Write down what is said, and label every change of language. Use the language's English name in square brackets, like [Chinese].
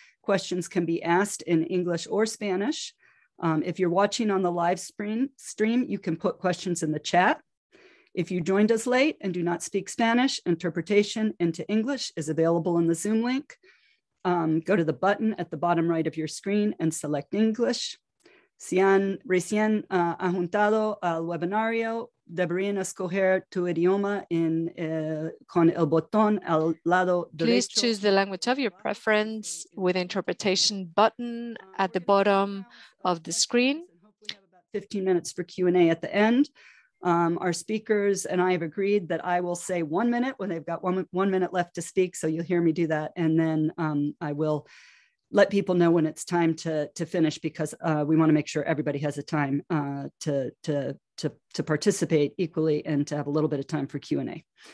[English] Questions can be asked in English or Spanish. If you're watching on the live stream, you can put questions in the chat. If you joined us late and do not speak Spanish, interpretation into English is available in the Zoom link. Go to the button at the bottom right of your screen and select English. [Spanish] Si han recién juntado al webinario, deberían escoger tu idioma con el botón al lado derecho. [English] Please choose the language of your preference with the interpretation button at the bottom of the screen. Hopefully we have about 15 minutes for Q&A at the end. Our speakers and I have agreed that I will say 1 minute when they've got one minute left to speak, so you'll hear me do that, and then I will let people know when it's time to finish, because we want to make sure everybody has a time to participate equally and to have a little bit of time for Q&A.